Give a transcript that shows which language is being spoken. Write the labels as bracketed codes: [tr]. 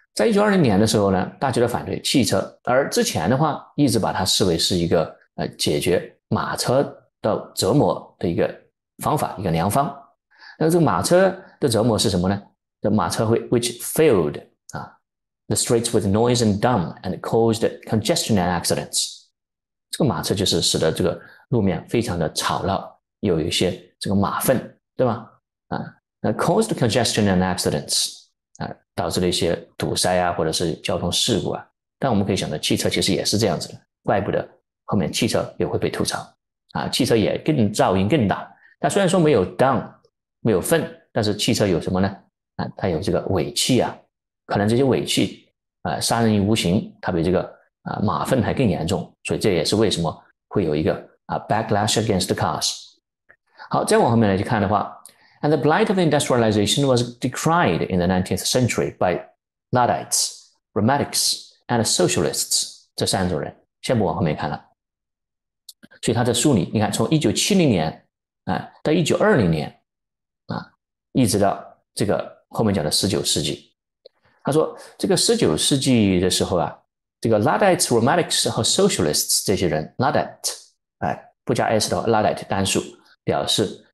[zh] 在1920年的时候呢，大家都反对汽车，而之前的话一直把它视为是一个解决马车的折磨的一个方法，一个良方。那这个马车的折磨是什么呢？这马车会 [en] which filled the streets with noise and dumb and caused congestion and accidents。 [zh] 这个马车就是使得这个路面非常的吵闹，有一些这个马粪，对吧？那 [en] caused congestion and accidents。 [zh] 导致了一些堵塞啊，或者是交通事故啊。但我们可以想到，汽车其实也是这样子的，怪不得后面汽车也会被吐槽啊，汽车也更噪音更大。但虽然说没有 down，没有粪，但是汽车有什么呢？它有这个尾气啊，可能这些尾气杀人于无形，它比这个马粪还更严重。所以这也是为什么会有一个 [en] backlash against the cars。 [zh] 好，再往后面来去看的话。 [en] And the blight of industrialization was decried in the 19th century by Luddites, Romantics, and Socialists. [zh] 这三种人，先不往后面看了。所以他在书里，你看，从1970年到1920年一直到这个后面讲的19世纪，他说这个19世纪的时候啊，这个 Luddites, Romantics 和 Socialists 这些人，Luddite 不加 s 的话，Luddite 单数表示